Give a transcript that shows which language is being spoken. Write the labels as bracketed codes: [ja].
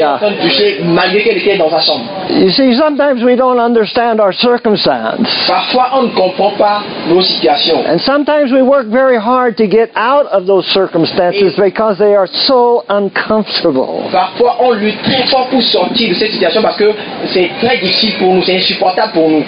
[fr] sont touchées malgré qu'elle était dans sa chambre. [en] You see, sometimes we don't understand our circumstance. [fr] Parfois, on ne comprend pas nos situations. [en] And sometimes we work very hard to get out of those circumstances et because they are so uncomfortable. [fr] Parfois, on lutte très fort pour sortir de cette situation parce que c'est très difficile pour nous, c'est insupportable pour nous.